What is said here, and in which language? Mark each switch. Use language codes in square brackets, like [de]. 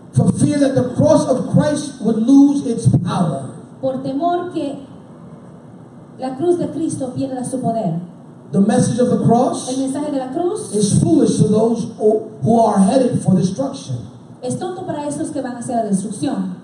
[en] for fear that the cross of Christ would lose its power. [es] Por temor que la cruz de Cristo pierda su poder. [en] The message of the cross, [es] el mensaje de la cruz, [en] is foolish to those who are headed for destruction. [es] Es tonto para esos que van hacia la destrucción.